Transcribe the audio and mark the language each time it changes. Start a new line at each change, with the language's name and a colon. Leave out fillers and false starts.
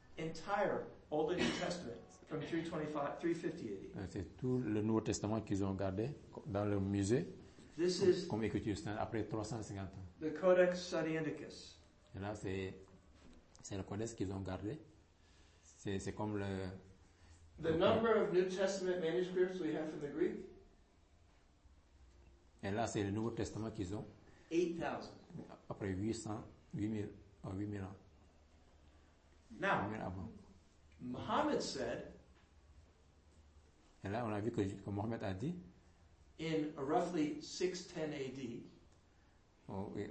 English: Entire Old and New Testament from 350 AD.
French: C'est tout le Nouveau Testament qu'ils ont gardé dans leur musée.
English: This
French: comme écriture sainte après 350 ans.
English: The Codex Sinaiticus.
French: Et là, c'est le codex qu'ils ont gardé. C'est comme le...
English: The number of New Testament manuscripts we have from the Greek?
French: Et là, c'est le Nouveau Testament qu'ils ont.
English: 8,000.
French: Après 8,000 ans.
English: Now, Muhammad said,
French: et là, on a vu que Muhammad a dit,
English: in roughly 610 AD,